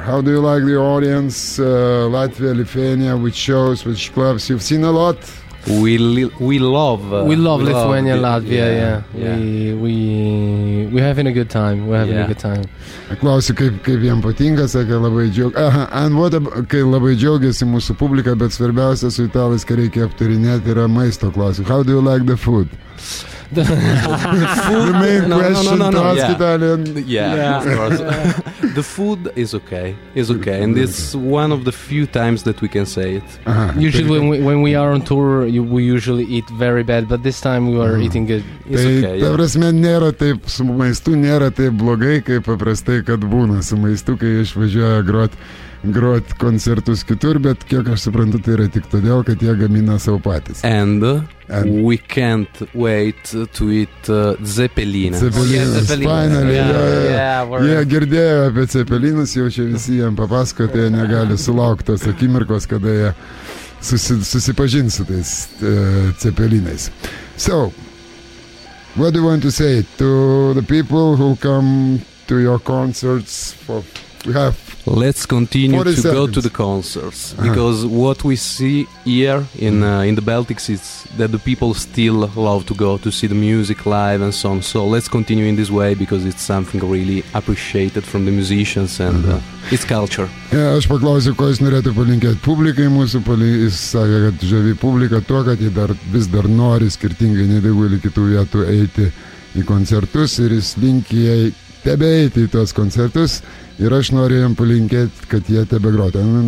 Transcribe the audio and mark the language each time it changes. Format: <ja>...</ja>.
<en>How do you like the audience, Latvia, Lithuania, which shows, which clubs? You've seen a lot? We love Lithuania, Latvia, we're having a good time, a good time.</en> <lt>Klausiu, kaip jiems patinka, sakė, labai džiaugiasi.</lt> <en>And what</en> <lt>kai labai džiaugiasi mūsų publika, bet svarbiausia su italais, kai reikia aptarinėti, yra maisto klausimas.</lt> <en>How do you like the food? The main question to ask Italian. Yeah, of course. The food is okay. It's okay. And it's one of the few times that we can say it. Usually when we are on tour, we usually eat very bad. But this time we are eating good. It's</en> <lt>tai,</lt> <en>okay.</en> <lt>Ta prasme, nėra taip su maistu, nėra taip blogai, kaip paprastai, kad būna su maistu, kai išvažiuoja grot koncertus kitur, bet kiek aš suprantu, tai yra tik todėl, kad jie gamina savo patys.</lt> <en>And we can't wait to eat zeppelinas. Zeppelinas, finally. Yeah,</en> <lt>girdėjo apie zeppelinas, jau čia visi jiems papasakojo, tai jie negali sulaukti tos akimirkos, kada jie susipažins su tais zeppelinais.</lt> <en>So, what do you want to say to the people who come to your concerts? We have Let's continue to go to the concerts, because what we see here in the Baltics is that the people still love to go to see the music live and so on. So let's continue in this way, because it's something really appreciated from the musicians and it's culture.</en> <lt>Yeah, aš paklausiu, ko jis norėtų palinkėti publikai mūsų, jis sakė, kad žavi publika tuo, kad jie dar vis dar nori skirtingai nedaugulį kitų vietų eiti į koncertus, ir jis linki jai tebeiti į tuos koncertus. Ir aš noriu jam palinkėti, kad jie tebe grotų.</lt>